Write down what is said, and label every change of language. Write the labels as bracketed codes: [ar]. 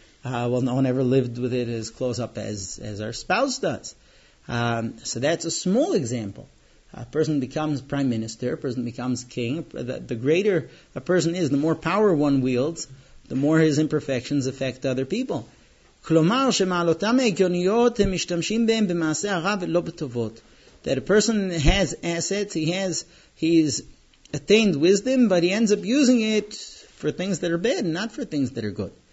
[en] Well, no one ever lived with it as close up as our spouse does. So that's a small example. A person becomes prime minister, a person becomes king. The greater a person is, the more power one wields, the more his imperfections affect other people. [he] כלומר שמעלותם העקרוניות הם משתמשים בהם במעשה הרע ולא בטובות. [en] That a person has assets, he's attained wisdom, but he ends up using it for things that are bad, not for things that are good.